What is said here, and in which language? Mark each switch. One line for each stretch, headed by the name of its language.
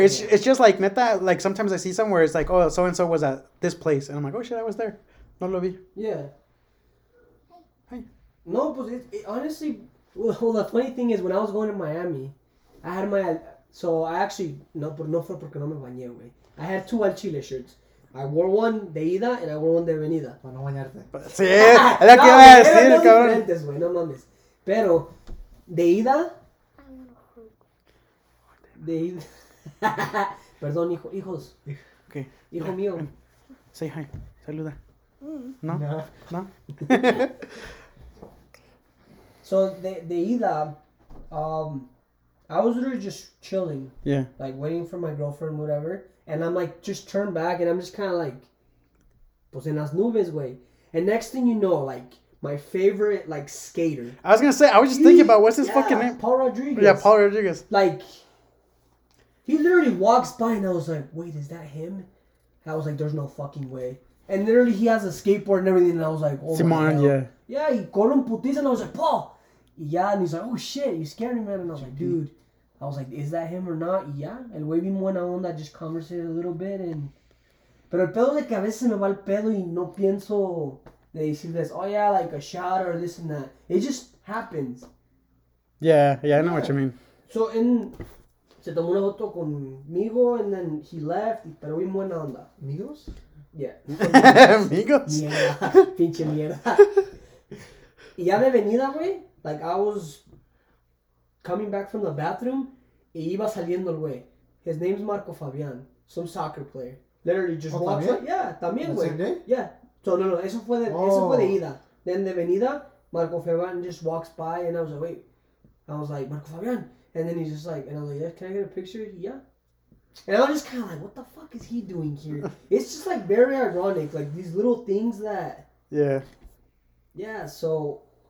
English: It's just, like, neta, like, sometimes I see somewhere, it's like, oh, so-and-so was at this place. And I'm like, oh, shit, I was there.
Spanish: No lo vi.
English: Yeah. Hey. No, but it honestly, well, the funny thing is, when I was going to Miami, I had my, so I actually,
Spanish: no fue porque no me bañé, güey.
English: I had two
Spanish: al chile
English: shirts. I wore one
Spanish: de ida
English: and I wore one
Spanish: de venida. Para no bañarte. Sí, es lo que iba a decir, cabrón. No mames. Pero, de ida. De ida. Perdón, hijos. ¿Qué? Okay. Hijo mío.
English: Say hi.
Spanish: Saluda.
English: No. No. So,
Spanish: de ida,
English: I was really just chilling. Yeah. Like, waiting for my girlfriend, whatever. And I'm like, just turn back, and I'm just kind of like,
Spanish: pues en las nubes, güey.
English: And next thing you know, like, my favorite, like, skater. I was going to say, I was just thinking about, what's his fucking name? Paul Rodriguez. Yeah, Paul Rodriguez. Like, he literally walks by, and I was like, wait, is that him? And I was like, there's no fucking way. And literally, he has a skateboard and everything, and I was like, oh,
Spanish: Simon,
English: my God. Yeah, he called him putis, and I was like, Paul. Yeah, and he's like, oh, shit, you scared me, man. And I was like, dude. I was like, is that him or not?
Spanish: Yeah. El güey vino buena onda,
English: just conversated a little bit.
Spanish: And pero el pedo de que a veces me va el pedo y no pienso de decir this.
English: Oh, yeah, like a shout or this and that. It just happens. Yeah, I know what you mean.
Spanish: So, en se tomó una foto conmigo,
English: and then he left.
Spanish: Pero vino buena onda. ¿Amigos?
English: Yeah.
Spanish: ¿Amigos? Mierda. Pinche mierda. Y ya de venida, güey,
English: like, I was coming back from the bathroom,
Spanish: e iba saliendo el güey.
English: His name's Marco Fabián, some soccer player. Literally just walks up.
Spanish: Yeah, también, güey. Yeah. So, no, eso fue de, eso fue de ida.
English: Then
Spanish: de venida,
English: Marco Fabián just walks by, and I was like, wait. I was like, Marco Fabián. And then he's just like, and I was like, yeah, can I get a picture? Yeah. And I was just kind of like, what the fuck is he doing here? It's just, like, very ironic. Like, these little things that. Yeah. Yeah, so.